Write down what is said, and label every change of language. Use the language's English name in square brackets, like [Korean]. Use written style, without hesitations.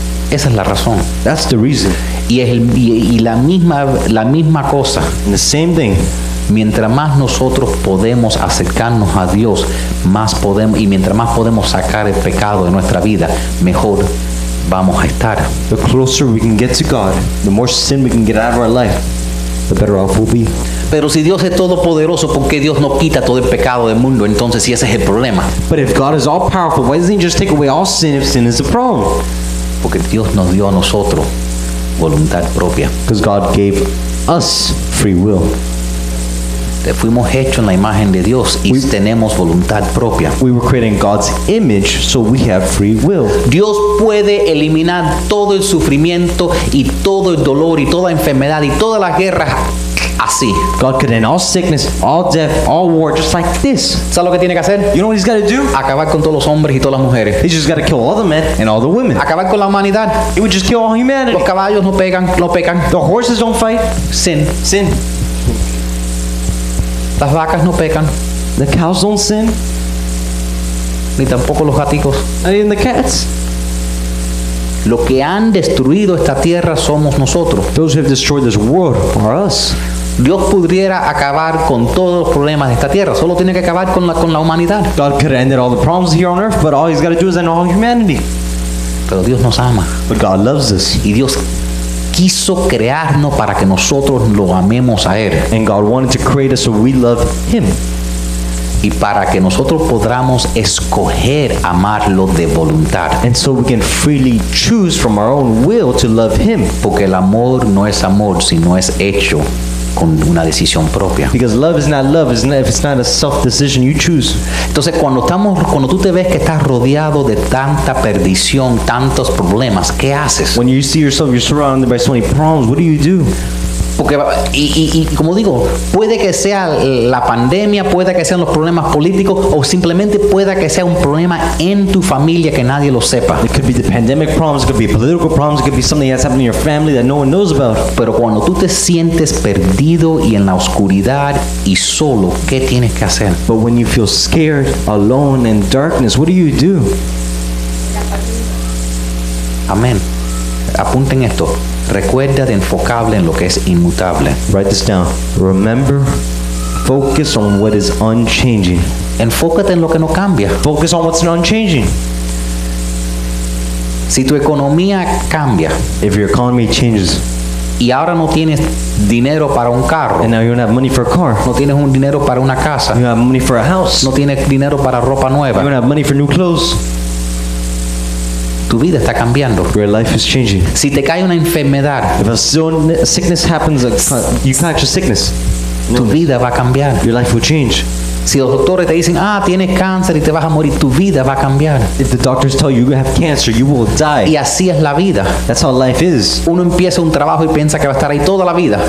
[Spanish] Esa es la razón. [English] That's the reason. [Spanish] Y es la misma cosa. [English] The same thing. [Spanish] Mientras más nosotros podemos acercarnos a Dios, más podemos, y mientras más podemos sacar el pecado de nuestra vida, mejor vamos a estar. [English] The closer we can get to God, the more sin we can get out of our life, the better off we'll be. [Spanish] Pero si Dios es todopoderoso, ¿por qué Dios no quita todo el pecado del mundo? Entonces, si ese es el problema. [English] But if God is all powerful, why doesn't he just take away all sin if sin is the problem? [Spanish] Porque Dios nos dio a nosotros voluntad propia. [English] Because God gave us free will. [Spanish] Le fuimos hechos en la imagen de Dios y tenemos voluntad propia. [English] We were created in God's image, so we have free will. [Spanish] Dios puede eliminar todo el sufrimiento y todo el dolor y toda enfermedad y todas las guerras así. [English] God could end all sickness, all death, all war, just like this. [Spanish] ¿Sabes lo que tiene que hacer? [English] You know what he's got to do? [Spanish] Acabar con todos los hombres y todas las mujeres. [English] He's just got to kill all the men and all the women. [Spanish] Acabar con la humanidad. [English] He would just kill all humanity. [Spanish] Los caballos no pegan, no pecan. [English] The horses don't fight. Sin. Sin. [Spanish] Las vacas no pecan. [English] The cows don't sin. [Spanish] Ni tampoco los gaticos. [English] And even the cats. [Spanish] Lo que han destruido esta tierra somos nosotros. [English] Those who have destroyed this world are us. [Spanish] Dios pudiera acabar con todos los problemas de esta tierra. Solo tiene que acabar con la humanidad. [English] God could end all the problems here on earth, but all he's got to do is end all humanity. [Spanish] Pero Dios nos ama. [English] But God loves us. [Spanish] Y Dios quiso crearnos para que nosotros lo amemos a él. [English] And God wanted to create us so we love him. [Spanish] Y para que nosotros podamos escoger amarlo de voluntad. [English] And so we can freely choose from our own will to love him. [Spanish] Porque el amor no es amor, sino es hecho con una decisión propia. [English] Because love is not love if it's not a self decision you choose. [Spanish] Entonces cuando estamos, cuando tú te ves que estás rodeado de tanta perdición, tantos problemas, ¿qué haces? [English] When you see yourself you're surrounded by so many problems, what do you do? [Spanish] Porque y como digo, puede que sea la pandemia, puede que sean los problemas políticos, o simplemente pueda que sea un problema en tu familia que nadie lo sepa. [English] It could be the pandemic problems, it could be political problems, it could be something that's happening in your family that no one knows about. [Spanish] Pero cuando tú te sientes perdido y en la oscuridad y solo, ¿qué tienes que hacer? [English] But when you feel scared, alone in darkness, what do? [Spanish] Amén. Apunten esto. Recuerda de enfocarle en lo que es inmutable. [English] Write this down. Remember, focus on what is unchanging. [Spanish] Enfócate en lo que no cambia. [English] Focus on what's unchanging. [Spanish] Si tu economía cambia, [English] if your economy changes, [Spanish] y ahora no tienes dinero para un carro, [English] and now you don't have money for a car, [Spanish] no tienes un dinero para una casa, [English] you don't have money for a house, [Spanish] no tienes dinero para ropa nueva, [English] you don't have money for new clothes. [Spanish] Tu vida está cambiando. [English] Your life is changing. [Spanish] Si te cae una enfermedad, [English] if a sickness happens, you catch a sickness, [Spanish] tu vida va a cambiar. [English] Your life will change. [Spanish] Si los doctores te dicen, ah, tienes cáncer y te vas a morir, tu vida va a cambiar. [English] If the doctors tell you you have cancer, you will die. [Spanish] Y así es la vida. [English] That's how life is. [Spanish] Uno empieza un trabajo y piensa que va a estar ahí toda la vida.